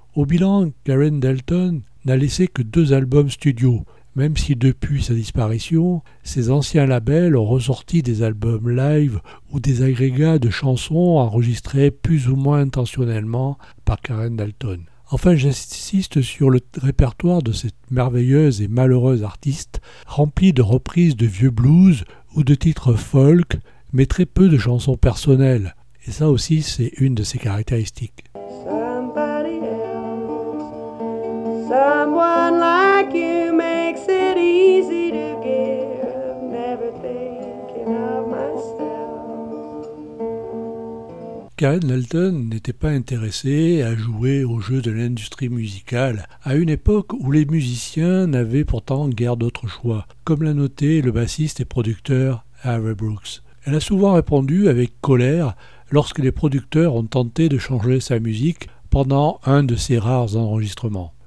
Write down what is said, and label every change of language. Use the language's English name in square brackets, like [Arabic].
[French] Au bilan, Karen Dalton n'a laissé que deux albums studio, même si depuis sa disparition, ses anciens labels ont ressorti des albums live ou des agrégats de chansons enregistrées plus ou moins intentionnellement par Karen Dalton. Enfin, j'insiste sur le répertoire de cette merveilleuse et malheureuse artiste, remplie de reprises de vieux blues ou de titres folk, mais très peu de chansons personnelles. Et ça aussi, c'est une de ses caractéristiques. [English] Somebody else, someone like you makes it easy to give, never thinking of myself. [French] Karen Dalton n'était pas intéressée à jouer au jeu de l'industrie musicale, à une époque où les musiciens n'avaient pourtant guère d'autre choix, comme l'a noté le bassiste et producteur Harry Brooks. Elle a souvent répondu avec colère lorsque les producteurs ont tenté de changer sa musique pendant un de ses rares enregistrements.